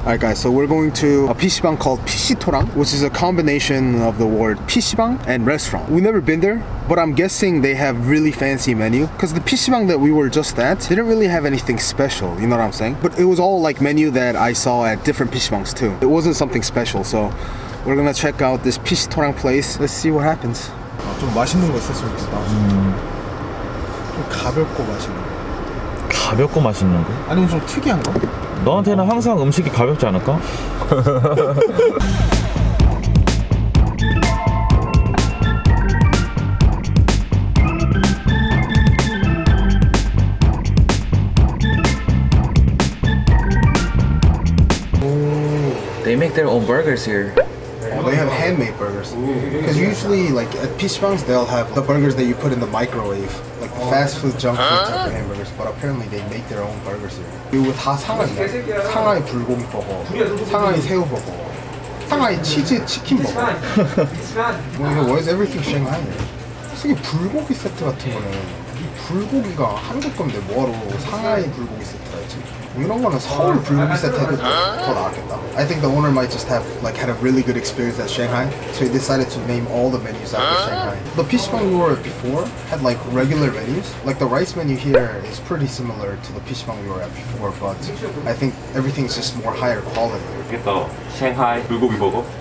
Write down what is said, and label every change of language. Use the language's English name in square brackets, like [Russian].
[English] Alright guys, so we're going to a PC방 called PC토랑, which is a combination of the word PC방 and restaurant. We've never been there, but I'm guessing they have really fancy menu. Because the PC방 that we were just at didn't really have anything special, you know what I'm saying? But it was all like menu that I saw at different PC방s too. It wasn't something special, so we're gonna check out this PC토랑 place. Let's see what happens. [Korean] 아, 좀 맛있는 거 있었으면 좋겠다. 좀 가볍고 맛있는 거. 가볍고 맛있는 거? 아니면 좀 특이한 거? 너한테는 항상 음식이 가볍지 않을까? [English] 오, they make their own burgers here. Well, they have handmade burgers. Because usually, like at PC방s, they'll have the burgers that you put in the microwave. Like the fast food, junk food type of hamburgers. But apparently, they make their own burgers here. You with hot Shanghai. Shanghai [Korean] 불고기 버거. [English] Shanghai [Korean] 새우 버거. [English] Shanghai [Korean] 치즈 치킨 버거. [English] Well, why is everything Shanghai? [Korean] 이게 불고기 세트 같은 거는 이 불고기가 한국 건데 뭐하러 상하이 불고기 세트라 했지? 이런 거는 서울 불고기 세트 해도 더 나았겠다. [English] I think the owner might just have like had a really good experience at Shanghai, so he decided to name all the menus after Shanghai. The PC방 we were at before had like regular menus. Like the rice menu here is pretty similar to the PC방 we were at before, but I think everything is just more higher quality. [Korean] 이게 또 상하이 불고기 버거?